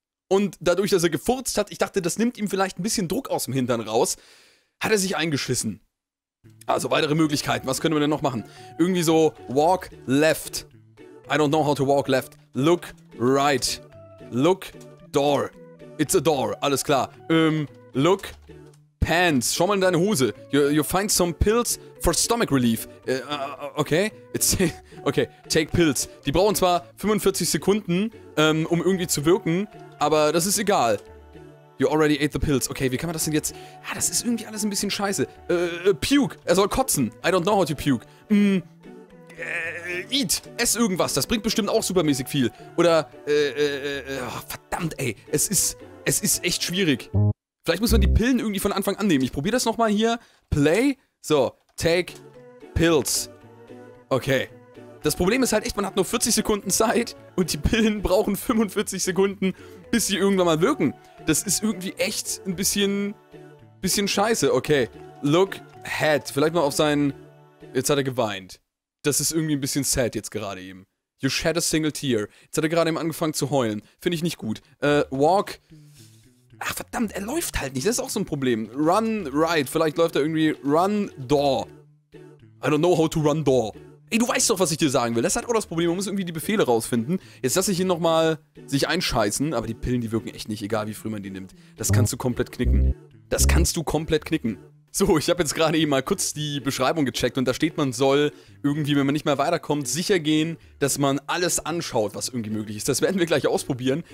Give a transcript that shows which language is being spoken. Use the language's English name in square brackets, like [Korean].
[German] Und dadurch, dass er gefurzt hat, ich dachte, das nimmt ihm vielleicht ein bisschen Druck aus dem Hintern raus, hat er sich eingeschissen. Also weitere Möglichkeiten, was können wir denn noch machen? Irgendwie so, [English] walk left. I don't know how to walk left. Look right. Look door. It's a door, [German] alles klar. [English] Look pants. [German] Schau mal in deine Hose. [English] You find some pills for stomach relief. Okay, it's... Okay, take pills. [German] Die brauchen zwar 45 Sekunden, um irgendwie zu wirken, aber das ist egal. [English] You already ate the pills. [German] Okay, wie kann man das denn jetzt... Ja, das ist irgendwie alles ein bisschen scheiße. [English] Puke. [German] Er soll kotzen. [English] I don't know how to puke. [German] Eat. Ess irgendwas. Das bringt bestimmt auch supermäßig viel. Oder, verdammt, ey. Es ist echt schwierig. Vielleicht muss man die Pillen irgendwie von Anfang an nehmen. Ich probiere das nochmal hier. Play. [English] So, take pills. Okay. [German] Das Problem ist halt echt, man hat nur 40 Sekunden Zeit und die Pillen brauchen 45 Sekunden, bis sie irgendwann mal wirken. Das ist irgendwie echt ein bisschen scheiße. Okay, [English] look, head. [German] Vielleicht mal auf seinen... Jetzt hat er geweint. Das ist irgendwie ein bisschen sad jetzt gerade eben. [English] You shed a single tear. [German] Jetzt hat er gerade eben angefangen zu heulen. Finde ich nicht gut. Walk Ach verdammt, er läuft halt nicht. Das ist auch so ein Problem. [English] Run right. [German] Vielleicht läuft er irgendwie [English] run door. I don't know how to run door. [German] Ey, du weißt doch, was ich dir sagen will. Das hat auch das Problem. Man muss irgendwie die Befehle rausfinden. Jetzt lasse ich ihn nochmal sich einscheißen. Aber die Pillen, die wirken echt nicht. Egal, wie früh man die nimmt. Das kannst du komplett knicken. Das kannst du komplett knicken. So, ich habe jetzt gerade eben mal kurz die Beschreibung gecheckt und da steht, man soll irgendwie, wenn man nicht mehr weiterkommt, sicher gehen, dass man alles anschaut, was irgendwie möglich ist. Das werden wir gleich ausprobieren.